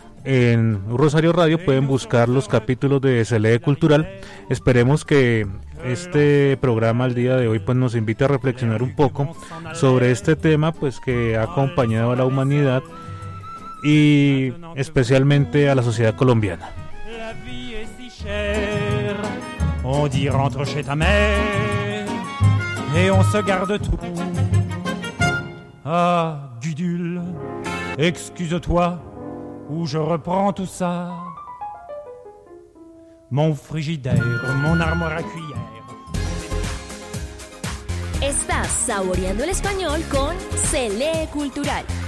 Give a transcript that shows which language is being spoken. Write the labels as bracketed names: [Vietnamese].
[Spanish] En U Rosario Radio pueden buscar los capítulos de Se Lee Cultural. Esperemos que este programa el día de hoy pues nos invite a reflexionar un poco sobre este tema pues que ha acompañado a la humanidad y especialmente a la sociedad colombiana. [French] La vie est si chère, on dit rentre chez ta mère et on se garde tout. Ah, Gudule, excuse-toi où je reprends tout ça. Mon frigidaire, mon armoire à cuillère. [Spanish] Estás saboreando el español con Se Lee Cultural.